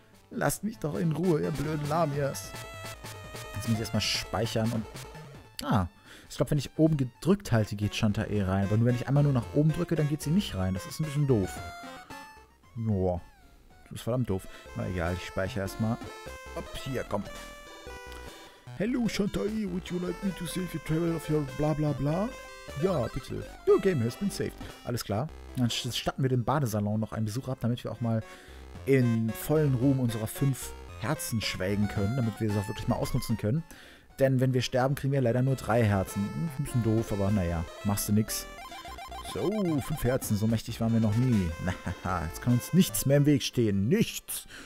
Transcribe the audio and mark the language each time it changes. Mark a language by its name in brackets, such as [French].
[German] Lasst mich doch in Ruhe, ihr blöden Lamias. Jetzt muss ich erstmal speichern und... Ah, ich glaube, wenn ich oben gedrückt halte, geht Chantae rein. Aber nur wenn ich einmal nur nach oben drücke, dann geht sie nicht rein. Das ist ein bisschen doof. Boah, das ist verdammt doof. Na egal, ich speichere erstmal. Hopp, hier, komm. [English] Hello, Chantae, would you like me to save your travel of your bla bla bla? [German] Ja, bitte. [English] Your game has been saved. [German] Alles klar. Dann statten wir dem Badesalon noch einen Besuch ab, damit wir auch mal in vollen Ruhm unserer 5 Herzen schwelgen können, damit wir es auch wirklich mal ausnutzen können. Denn wenn wir sterben, kriegen wir leider nur 3 Herzen. Ein bisschen doof, aber naja, machst du nix. So, 5 Herzen, so mächtig waren wir noch nie. Naja, jetzt kann uns nichts mehr im Weg stehen. Nichts.